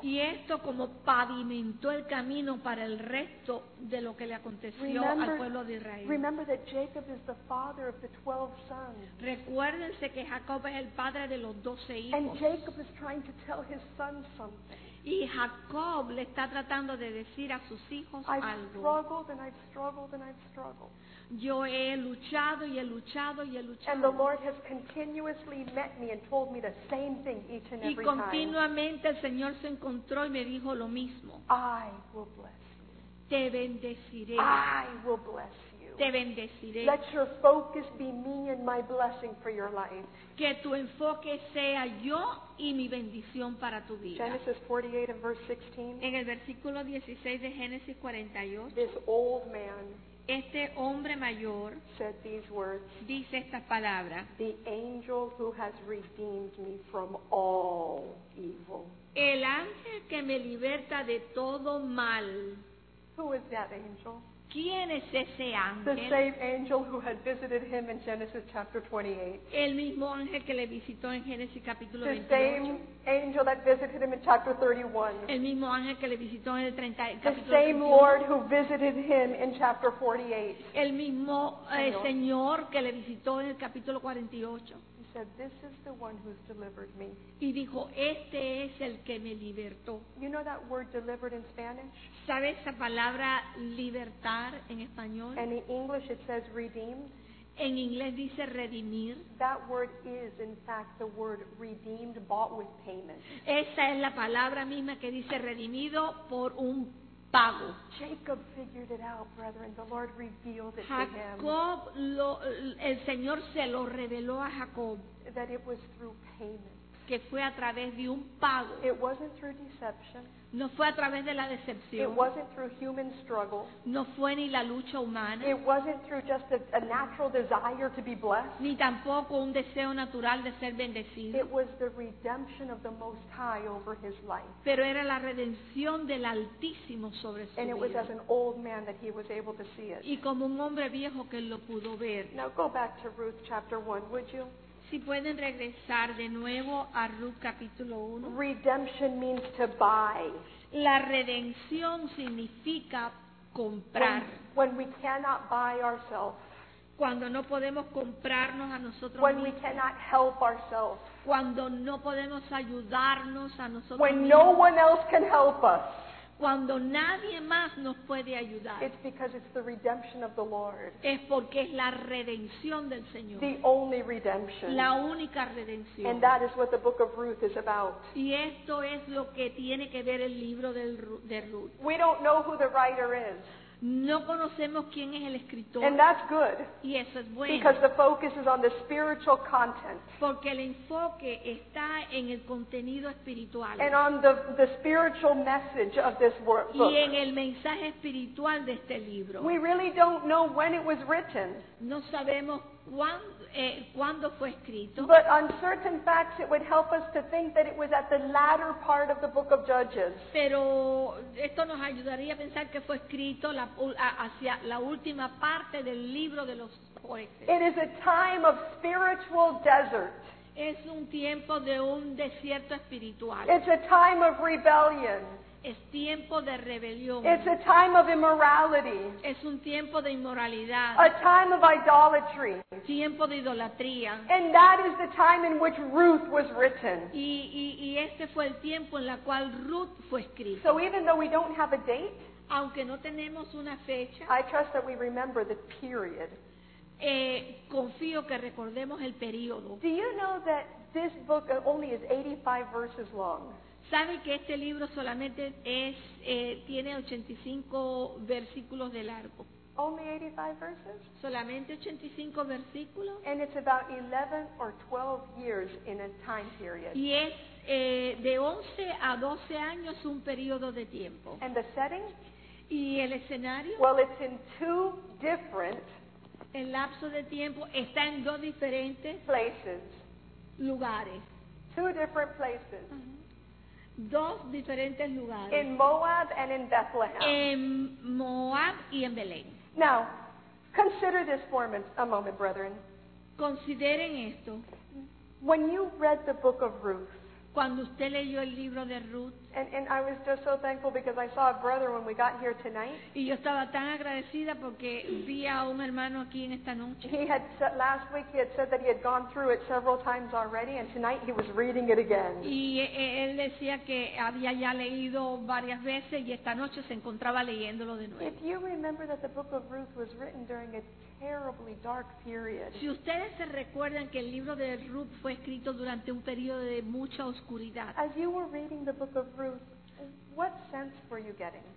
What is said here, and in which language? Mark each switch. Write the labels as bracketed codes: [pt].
[es] Y esto como pavimentó el camino para el resto de lo que le aconteció al pueblo de Israel. [en] Remember that Jacob is the father of the 12 sons. [es] Recuérdense que Jacob es el padre de los 12 hijos. [en] And Jacob is trying to tell his sons something. [es] Y Jacob le está tratando de decir a sus hijos algo. [en] I've struggled and I've struggled and I've struggled. [es] Yo he luchado y he luchado y he luchado. [en] And the Lord has continuously met me and told me the same thing each and every time. [es] Y continuamente el Señor se encontró y me dijo lo mismo. [en] I will bless you. [es] Te bendeciré. [en] I will bless you. [es] Te bendeciré. [en] Let your focus be me and my blessing for your life. [es] Que tu enfoque sea yo y mi bendición para tu vida. [en] Genesis 48 and verse 16. [es] En el versículo 16 de Génesis 48. [en] This old man. [es] Este hombre mayor [en] said these words, [es] dice estas palabras. [en] The angel who has redeemed me from all evil. [es] El ángel que me liberta de todo mal. [en] Who is that angel? [es] ¿Quién es ese ángel? [en] The same angel who had visited him in Genesis chapter 28. [es] El mismo ángel que le visitó en Génesis capítulo 28. [en] The same angel that visited him in chapter 31. [es] El mismo ángel que le visitó en el 30, [en] the same Lord who visited him in chapter 48. [es] El mismo Señor que le visitó en el capítulo 48. [en] He said, this is the one who's delivered me. [es] Y dijo, este es el que me libertó. [en] You know that word delivered in Spanish? [es] ¿Sabe esa palabra libertar en español? [en] And in English it says redeemed. [es] En inglés dice redimir. [en] That word is in fact the word redeemed, bought with payment. [es] Esa es la palabra misma que dice redimido por un pago. [en] Jacob figured it out, brethren. The Lord revealed it to him. [es] Jacob, el Señor se lo reveló a Jacob. [en] That it was through payment. [es] Que fue a través de un pago. [en] It wasn't through deception. [es] No fue a través de la decepción. [en] It wasn't through human struggle. [es] No fue ni la lucha humana. [en] It wasn't through just a natural desire to be blessed. [es] Ni tampoco un deseo natural de ser bendecido. [en] It was the redemption of the Most High over his life. [es] Pero era la redención del Altísimo sobre su [en] and [es] vida. [en] It was as an old man that he was able to see it. [es] Y como un hombre viejo que lo pudo ver. [en] Now go back to Ruth chapter 1, would you? [es] Si pueden regresar de nuevo a Ruth capítulo 1. [en] Redemption means to buy. [es] La redención significa comprar. [en] When we cannot buy ourselves. [es] Cuando no podemos comprarnos a nosotros [en] when [es] mismos. [en] When we cannot help ourselves. [es] Cuando no podemos ayudarnos a nosotros [en] when [es] mismos. [en] When no one else can help us. [es] Cuando nadie más nos puede ayudar. [en] It's because it's the redemption of the Lord. [es] Es porque es la redención del Señor. [en] The only redemption. [es] La única redención. [en] And that is what the book of Ruth is about. [es] Y esto es lo que tiene que ver el libro de Ruth. [en] We don't know who the writer is. [es] No conocemos quién es el escritor. [en] And that's good. [es] Y eso es bueno. [en] Because the focus is on the spiritual content. [es] Porque el enfoque está en el contenido espiritual. [en] And on the spiritual message of this book. [es] Y en el mensaje espiritual de este libro. [en] We really don't know when it was written. [es] No sabemos cuándo fue escrito. [en] But on certain facts it would help us to think that it was at the latter part of the book of Judges. [es] Pero esto nos ayudaría a pensar que fue escrito hacia la última parte del libro de los jueces. [en] It is a time of spiritual desert. [es] Es un tiempo de un desierto espiritual. [en] It's a time of rebellion. [es] Es tiempo de rebelión. [en] It's a time of immorality. [es] Es un tiempo de inmoralidad. [en] A time of idolatry. [es] Tiempo de idolatría. [en] And that is the time in which Ruth was written. [es] Y este fue el tiempo en la cual Ruth fue escrita. [en] So even though we don't have a date, [es] aunque no tenemos una fecha, [en] I trust that we remember the period. [es] Confío que recordemos el periodo. [en] Do you know that this book only is 85 verses long? [es] ¿Sabe que este libro solamente es tiene 85 versículos de largo? [en] Only 85 verses? [es] Solamente 85 versículos. [en] And it's about 11 or 12 years in a time period. [es] Y es de 11 a 12 años un periodo de tiempo. [en] And the setting? [es] Y el escenario? [en] Well, it's in two different [es] el lapso de tiempo está en dos diferentes [en] places. [es] Lugares. [en] Two different places. [es] Uh-huh. Dos diferentes lugares. [en] In Moab and in Bethlehem. [es] En Moab y en Belén. [en] Now, consider this for a moment, brethren. [es] Consideren esto. [en] When you read the book of Ruth. [es] Cuando usted leyó el libro de Ruth. [en] And I was just so thankful because I saw a brother when we got here tonight. [es] Y yo estaba tan agradecida porque vi a un hermano aquí en esta noche. [en] He had said, last week he had said that he had gone through it several times already and tonight he was reading it again. [es] Y él decía que había ya leído varias veces y esta noche se encontraba leyéndolo de nuevo. [en] If you remember that the book of Ruth was written during a terribly dark period. [es] Si ustedes se recuerdan que el libro de Ruth fue escrito durante un periodo de mucha oscuridad. [en] As you were reading the book of Ruth, What sense were you getting?